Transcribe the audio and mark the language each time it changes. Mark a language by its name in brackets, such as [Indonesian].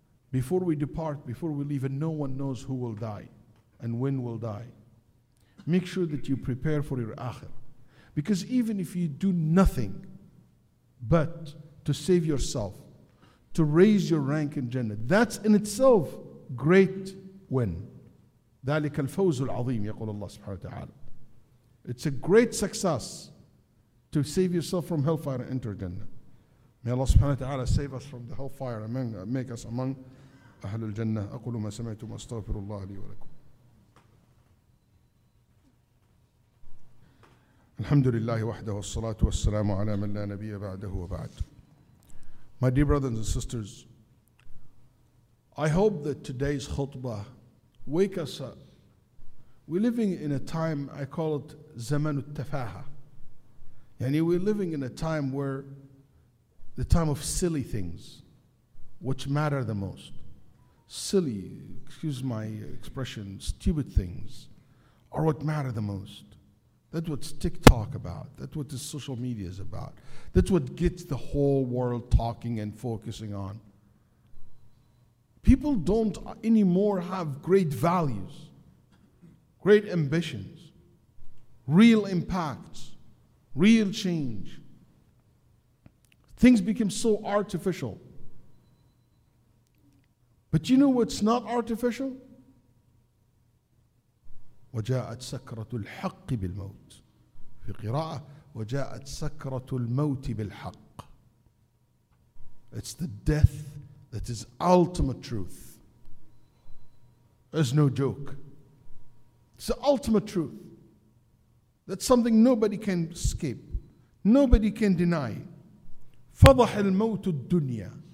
[English] Before we depart, before we leave, and no one knows who will die and when will die, make sure that you prepare for your akhir. Because even if you do nothing but to save yourself, to raise your rank in Jannah, that's in itself great win. [Arabic] ذلك الفوز العظيم يقول الله سبحانه وتعالى. [English] It's a great success to save yourself from hellfire and enter Jannah. May Allah subhanahu wa ta'ala save us from the hellfire and make us among Ahlul Jannah. [Arabic] أقول ما سمعت ما استغفر الله لي ولكم. الحمد لله وحده والصلاة والسلام على من لا نبي بعده وبعد. [English] My dear brothers and sisters, I hope that today's khutbah wake us up. We're living in a time, I call it [Arabic] زمن التفاهة. [English] يعني we're living in a time where the time of silly things, which matter the most. Silly, excuse my expression, stupid things are what matter the most. That's what TikTok about. That's what the social media is about. That's what gets the whole world talking and focusing on. People don't anymore have great values, great ambitions, real impacts, real change. Things become so artificial. But you know what's not artificial? [Arabic] وجاءت سكرة الحق بالموت. في قراءة وجاءت سكرة الموت بالحق. [English] It's the death that is ultimate truth. There's no joke. It's the ultimate truth. That's something nobody can escape. Nobody can deny. [Arabic] فضح الموت الدنيا.